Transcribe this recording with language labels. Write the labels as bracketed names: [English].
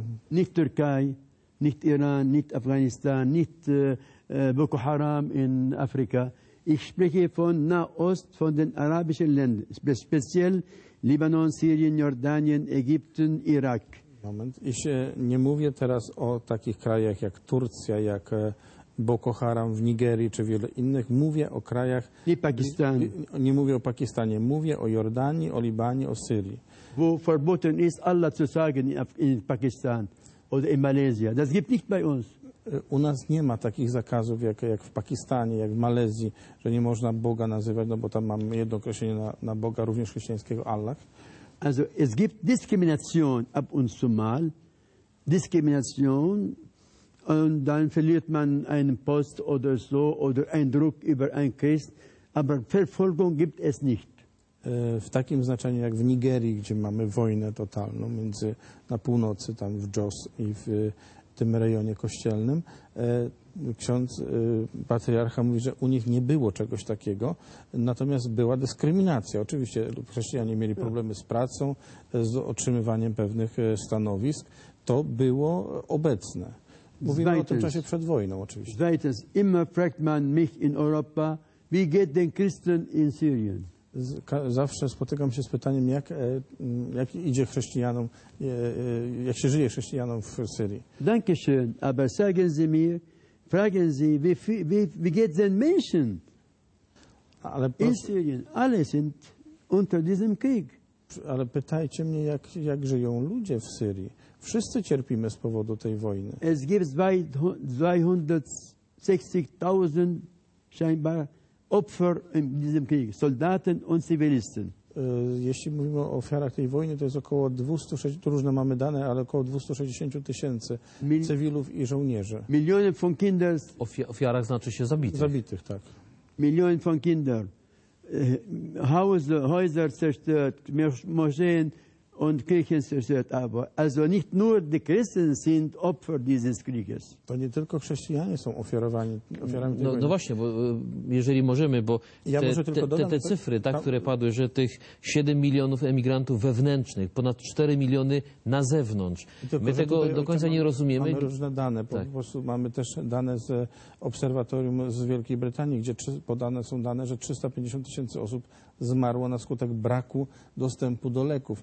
[German] Nicht Türkei, nicht Iran, nicht Afghanistan, nicht Boko Haram in Afrika. Ich spreche von Nahost, von den arabischen Ländern, speziell Libanon, Syrien, Jordanien, Ägypten, Irak. [Polish] Moment. Ich nie mówię teraz o takich krajach jak Turcja, jak Boko Haram w Nigerii czy wiele innych. Mówię o krajach... I Pakistan. Nie mówię o Pakistanie. Mówię o Jordanii, o Libanie, o Syrii. [German] Wo verboten ist Allah zu sagen in Pakistan oder in Malaysia. Das gibt nicht bei uns. [Polish] U nas nie ma takich zakazów jak w Pakistanie, jak w Malezji, że nie można Boga nazywać, no bo tam mam jedno określenie na Boga, również chrześcijańskiego, Allah. [German] Also es gibt Diskrimination ab und zu mal. Diskrimination und dann verliert man einen Post oder so oder einen Druck über einen Christ, aber Verfolgung gibt es nicht. [Polish] W takim znaczeniu jak w Nigerii, gdzie mamy wojnę totalną między na północy tam w Jos i w tym rejonie kościelnym. Ksiądz patriarcha mówi, że u nich nie było czegoś takiego, natomiast była dyskryminacja. Oczywiście chrześcijanie mieli problemy z pracą, z otrzymywaniem pewnych stanowisk. To było obecne. Mówimy o tym czasie przed wojną oczywiście. [German] Immer fragt man mich in Europa, wie geht den Christen in Syrien? [Polish] Zawsze spotykam się z pytaniem, jak idzie chrześcijanom, jak się żyje chrześcijanom w Syrii. [German] Danke schön, aber sagen Sie mir, fragen Sie, wie geht den Menschen in Syrien? Alle sind unter diesem Krieg. [Polish] Ale pytajcie mnie, jak żyją ludzie w Syrii. Wszyscy cierpimy z powodu tej wojny. [German] Es gibt 260.000 scheinbar Opfer in diesem Krieg, Soldaten und Zivilisten. [Polish] Jeśli mówimy o ofiarach tej wojny, to jest około 260, to różne mamy dane, ale około 260 tysięcy cywilów i żołnierzy. Miliony [German] von Kinder. [Polish] Ofiarach znaczy się zabitych. Zabitych, tak. Miliony [German] von Kinder. Häuser zerstört, Moscheen und Kirchen zerstört, aber also nicht nur die Christen sind Opfer dieses Krieges. [Polish] To nie tylko chrześcijanie są ofiarami tej wojny. No właśnie, bo jeżeli możemy, bo ja te cyfry, tak, które padły, że tych 7 milionów emigrantów wewnętrznych, ponad 4 miliony na zewnątrz. Tylko, my tego do końca nie rozumiemy. Mamy różne dane, tak. Po prostu mamy też dane z obserwatorium z Wielkiej Brytanii, gdzie podane są dane, że 350 tysięcy osób zmarło na skutek braku dostępu do leków.